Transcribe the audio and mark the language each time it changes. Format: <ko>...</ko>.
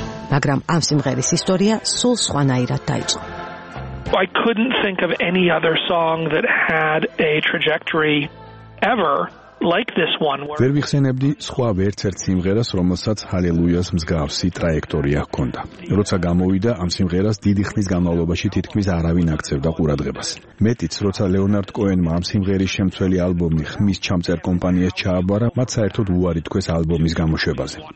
<ka>მაგრამ ამ სიმღერის ისტორია სულ სხვანაირად დაიწყო.</ka> <en>I couldn't think of any other song that had a trajectory ever like this one.</en> <ka>ვერ ვიხსენებდი სხვა ვერცერტ სიმღერას, რომელსაც ჰალელუიას მსგავსი ტრაექტორია ჰქონდა. როცა გამოვიდა ამ სიმღერას დიდი ხნის განმავლობაში თითქმის არავინ აქცევდა ყურადღებას. მეტიც, როცა ლეონარდ კოენმა ამ სიმღერის შემცველი ალბომი ხმის ჩამწერ კომპანიას ჩააბარა, მათ საერთოდ უარი თქვეს ალბომის გამოშვებაზე.</ka>